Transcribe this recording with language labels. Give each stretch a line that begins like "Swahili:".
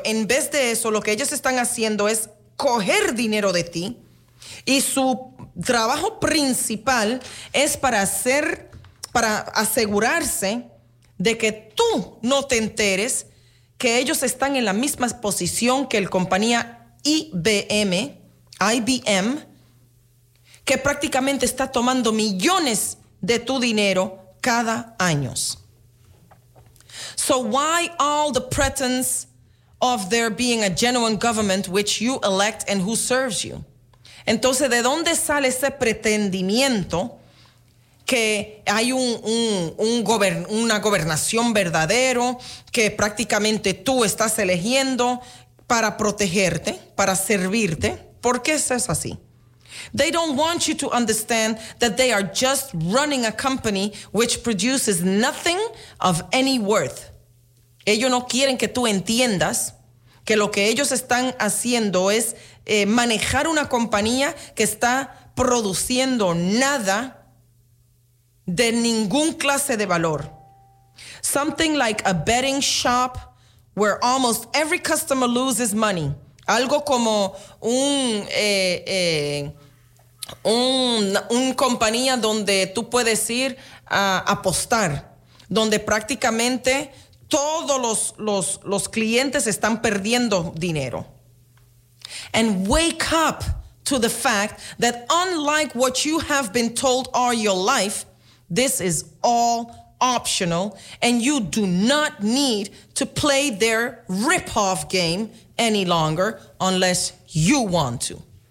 Spanish: En vez de eso, lo que ellos están haciendo es coger dinero de ti, y su trabajo principal es para asegurarse de que tú no te enteres que ellos están en la misma posición que la compañía IBM, que prácticamente está tomando millones de tu dinero cada año.
English: So why all the pretense of there being a genuine government which you elect and who serves you?
Spanish: Entonces, ¿de dónde sale ese pretendimiento que hay una gobernación verdadero que prácticamente tú estás eligiendo para protegerte, para servirte? ¿Por qué eso es así?
English: They don't want you to understand that they are just running a company which produces nothing of any worth.
Spanish: Ellos no quieren que tú entiendas que lo que ellos están haciendo es manejar una compañía que está produciendo nada de ningún clase de valor.
English: Something like a betting shop where almost every customer loses money.
Spanish: Algo como un compañía donde tú puedes ir a apostar, donde prácticamente todos los clientes están perdiendo dinero.
English: And wake up to the fact that unlike what you have been told all your life, this is all optional and you do not need to play their rip-off game any longer unless you want to.